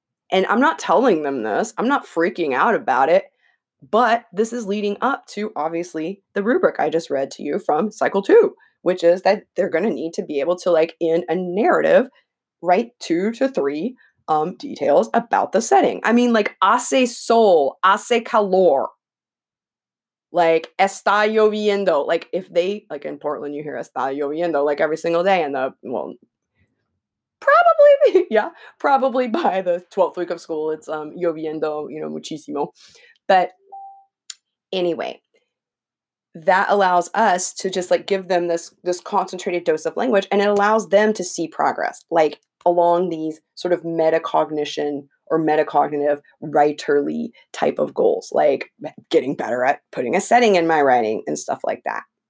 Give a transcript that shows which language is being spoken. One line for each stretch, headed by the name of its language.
English: And I'm not telling them this, I'm not freaking out about it, but this is leading up to, obviously, the rubric I just read to you from cycle two, which is that they're going to need to be able to, like, in a narrative, write 2 to 3 details about the setting. I mean, like,
Spanish: hace sol, hace calor, like, está lloviendo.
English: Like, if they, like, in Portland, you hear
Spanish: está lloviendo,
English: like, every single day, and the, well, probably, yeah, probably by the 12th week of school, it's lloviendo, you know,
Spanish: muchísimo.
English: But anyway, that allows us to just, like, give them this concentrated dose of language, and it allows them to see progress, like, along these sort of metacognition or metacognitive writerly type of goals, like getting better at putting a setting in my writing and stuff like that.